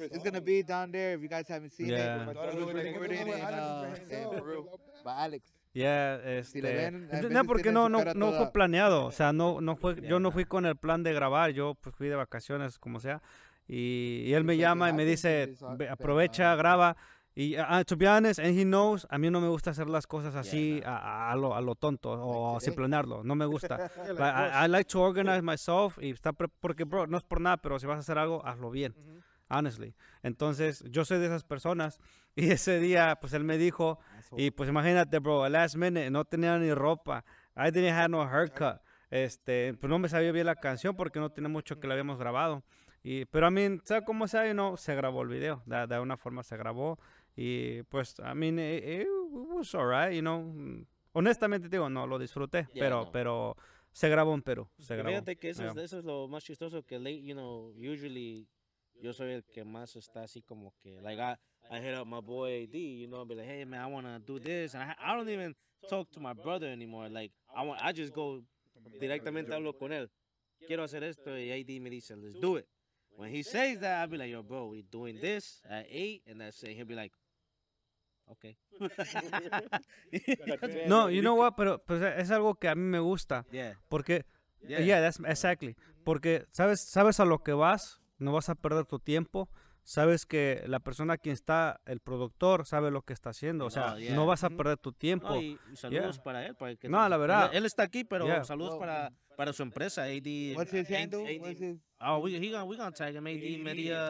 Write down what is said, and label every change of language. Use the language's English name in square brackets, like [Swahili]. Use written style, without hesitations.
[English] It's going to be down there if you guys haven't seen it. But Alex. [Spanish] Yeah, fue planeado, o sea, no fui con el plan de grabar, yo pues fui de vacaciones, como sea, y él me llama y me dice, aprovecha, graba, y [English] to be honest, and he knows, [Spanish] a mí no me gusta hacer las cosas así, a lo tonto, o sin planearlo, no me gusta, [English] I like to organize myself, [Spanish] y está porque bro, no es por nada, pero si vas a hacer algo, hazlo bien, honestly, entonces, yo soy de esas personas, y ese día, pues él me dijo... Y pues imagínate, bro, [English] last minute, [Spanish] no tenía ni ropa. [English] I didn't have no haircut. [Spanish] Pues no me sabía bien la canción porque no tenía mucho que la habíamos grabado. Pero, I mean, ¿sabes cómo sea? Se grabó el video. De una forma se grabó. Y, pues, [English] I mean, it was all right, you know. [Spanish] Honestamente, digo, no, lo disfruté. Yeah, pero se grabó en Perú. Fíjate que eso es lo más chistoso que, [English] you know, usually [Spanish] yo soy el que más está así como que, [English] like, I hit up my boy AD, you know, be like, hey, man, I want to do this. And I don't even talk to my brother anymore. Like, I just go [Spanish] directamente hablo con él. Quiero hacer esto. Y AD me dice, [English] let's do it. When he says that, I'll be like, yo, bro, we doing this at 8? And that's it. He'll be like, okay. No, you know what? [Spanish] Pero es algo que a mí me gusta. [English] Yeah. Porque, yeah, that's exactly. [Spanish] Porque sabes a lo que vas, no vas a perder tu tiempo. Sabes que la persona a quien está, el productor, sabe lo que está haciendo. O sea, no vas a perder tu tiempo. No, saludos para él. Para que la verdad. Él está aquí, pero saludos para su empresa, AD. [English] What's his handle? Oh, we're going to tag him, AD Media.